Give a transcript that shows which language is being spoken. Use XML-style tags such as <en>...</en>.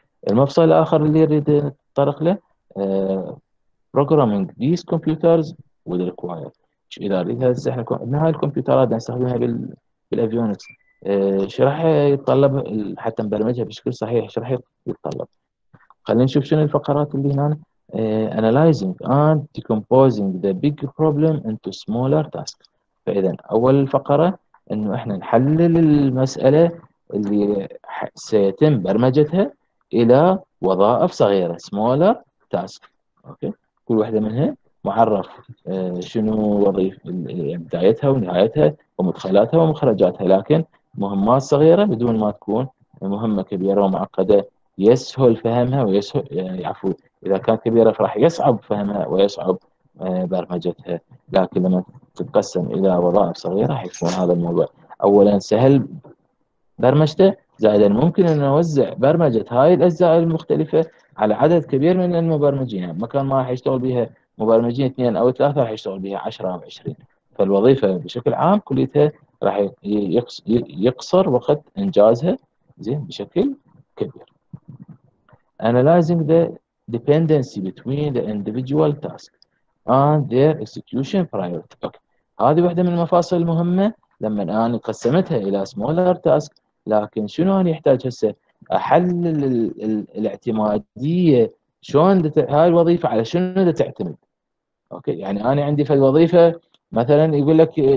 <ar>المفصل الاخر اللي نريد نتطرق له</ar> <en>Programming this computers with required.</en> <ar>اذا اريد هسه احنا عندنا هاي الكمبيوترات نستخدمها بالافيونكس، ايش راح يتطلب حتى نبرمجها بشكل صحيح؟ ايش راح يتطلب؟ خلينا نشوف شنو الفقرات اللي هنا.</ar> <en>analyzing and decomposing the big problem into smaller tasks.</en> <ar>فاذا اول فقره انه احنا نحلل المساله اللي سيتم برمجتها الى وظائف صغيره</ar> <en>smaller tasks.</en> <ar>اوكي كل واحده منها معرف شنو وظيفة بدايتها ونهايتها ومدخلاتها ومخرجاتها، لكن مهمات صغيرة بدون ما تكون مهمة كبيرة ومعقدة يسهل فهمها ويسهل يعني عفوا إذا كانت كبيرة فراح يصعب فهمها ويصعب برمجتها، لكن لما تتقسم إلى وظائف صغيرة راح يكون هذا الموضوع أولا سهل برمجته، زائدا ممكن أن نوزع برمجة هاي الأجزاء المختلفة على عدد كبير من المبرمجين، مكان ما راح يشتغل بها مبرمجين 2 أو 3 راح يشتغل بها 10 أو 20. فالوظيفة بشكل عام كليتها راح يقصر وقت إنجازها زين بشكل كبير.</ar> <en>Analyzing the dependency between the individual tasks and their execution priority. Okay.</en> <ar>هذه واحدة من المفاصل المهمة لما أنا قسمتها إلى</ar> <en>smaller tasks،</en> <ar>لكن شنو أنا يحتاج هسه أحلل الاعتمادية شلون هاي الوظيفة على شنو تعتمد؟ اوكي يعني انا عندي في الوظيفه مثلا يقول لك</ar>